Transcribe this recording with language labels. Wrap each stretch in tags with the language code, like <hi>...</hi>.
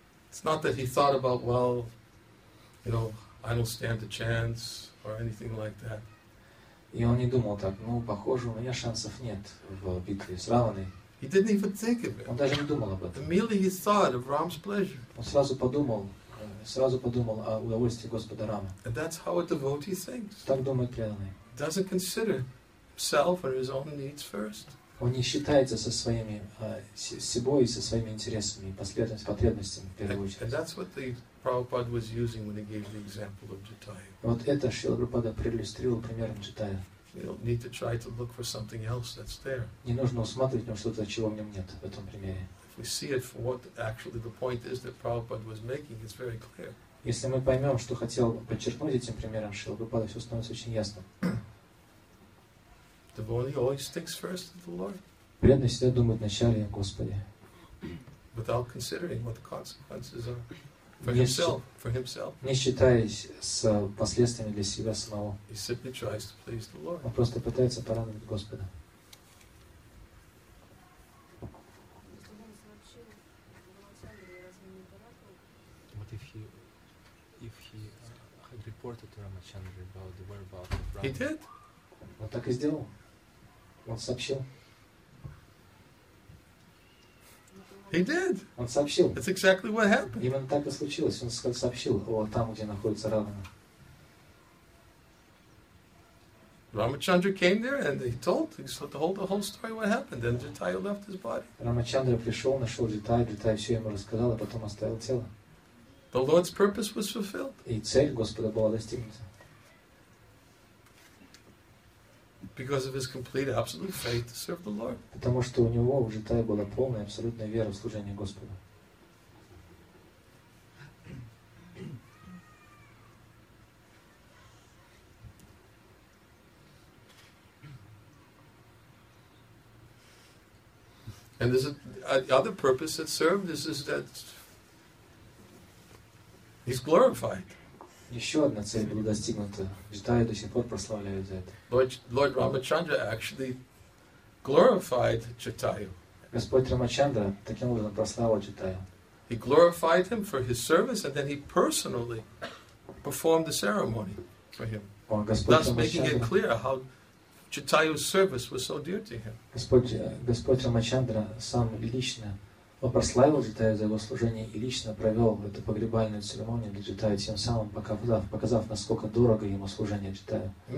<en>It's not that he thought about, well, you know, I don't stand a chance or anything like that.</en> <ru>И он не думал так, ну, похоже, у меня шансов нет в битве с Раваной.</ru> <en>He didn't even think of it.</en> <ru>Он даже не думал об этом.</ru> <en>Immediately he thought of Ram's pleasure.</en> <ru>Он сразу подумал сразу подумал о удовольствии Господа Рамы.</ru> <en>And that's how a devotee thinks.</en> <ru>Так думает преданный.</ru> <en>Doesn't consider himself or his own needs first.</en> <ru>Он не считается со своими собой, со своими интересами и потребностями в первую очередь.</ru> <en>And that's what the Prabhupada was using when he gave the example of Jataya.</en> <ru>Вот это Шрила Прабхупада проиллюстрировал примером Джатайи.</ru> <en>You don't need to try to look for something else that's there.</en> <ru>Не нужно усматривать там что-то, чего в нем нет в этом примере.</ru> <en>If we see it for what actually the point is that Prabhupada was making, it's very clear.</en> <ru>Если мы поймем, что хотел подчеркнуть этим примером Шрила Прабхупада, все становится очень ясно.</ru> <en>Devotee always thinks first of the Lord.</en> <ru>Преданный всегда думает вначале о Господе.</ru> <en>Without considering what the consequences are. For himself, for himself.</en> <ru>Не считаясь с последствиями для себя самого.</ru> <en>He simply tries to please the Lord.</en> <ru>Он просто пытается порадовать Господа.</ru> <en>What if he had reported to Ramachandra about the whereabouts of Ram? He did.</en> <ru>Он так и сделал. Он сообщил.</ru> <en>He did.</en> <ru>Он сообщил.</ru> <en>That's exactly what happened.</en> <ru>Именно так и случилось. Он сообщил о там, где находится Равана.</ru> <en>Рамачандра came there and he told the whole story what happened. Then Jatayu left his body.</en> <ru>Рамачандра пришел, нашел Джатайю, Джатайя все ему рассказал, а потом оставил тело.</ru> <en>The Lord's purpose was fulfilled.</en> <ru>И цель Господа была достигнута.</ru> <en>Because of his complete, absolute faith to serve the Lord.</en> <ru>Потому что у него уже та была полная, абсолютная вера в служение Господу.</ru> <en>And there's the other purpose that served is that he's glorified.</en> <ru>Еще одна цель была достигнута. Читаю до сих пор прославляют за это.</ru> <en>Lord Ramachandra actually glorified Jatayu.</en> <ru>Господь Рамачандра таким образом прославил Джатайю.</ru> <en>He glorified him for his service, and then he personally performed the ceremony for him. Thus making it clear how Jatayu's service was so dear to him.</en> <ru>Господь Рамачандра сам лично Он прославил Джатайю за его служение и лично провел эту погребальную церемонию для Джатайи, тем самым показав, насколько дорого ему служение Джатайю.</ru>